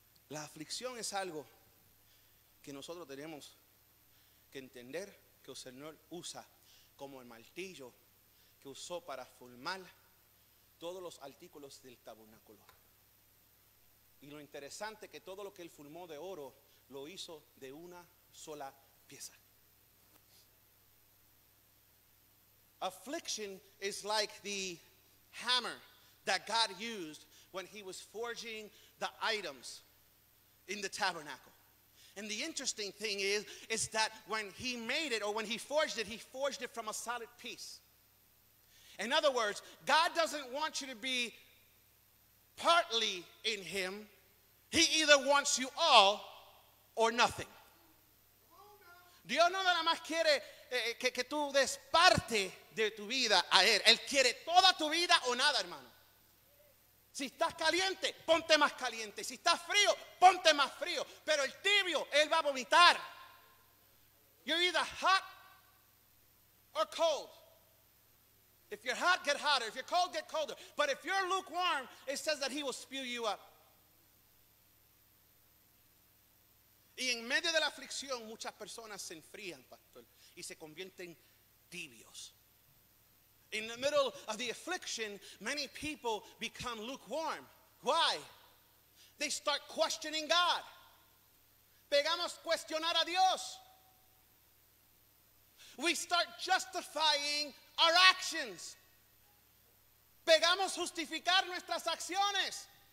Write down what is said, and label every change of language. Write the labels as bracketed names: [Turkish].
[Spanish] La aflicción es algo que nosotros tenemos que entender que el Señor usa como el martillo que usó para formar todos los artículos del tabernáculo. Y lo interesante que todo lo que él formó de oro lo hizo de una sola pieza. [English] Affliction is like the hammer that God used when he was forging the items in the tabernacle. And the interesting thing is that when he made it, or when he forged it from a solid piece. In other words, God doesn't want you to be partly in him. He either wants you all or nothing. [Spanish] Dios no nada más quiere que tú des parte de tu vida a él. Él quiere toda tu vida o nada, hermano. Si estás caliente, ponte más caliente. Si estás frío, ponte más frío. Pero el tibio, él va a vomitar. [English] You're either hot or cold. If you're hot, get hotter. If you're cold, get colder. But if you're lukewarm, it says that he will spew you up. [Spanish] Y en medio de la aflicción, muchas personas se enfrían, pastor, y se convierten tibios. [English] In the middle of the affliction, many people become lukewarm. Why? They start questioning God. [Spanish] Pegamos cuestionar a Dios. [English] We start justifying our actions. [Spanish] Pegamos justificar nuestras acciones.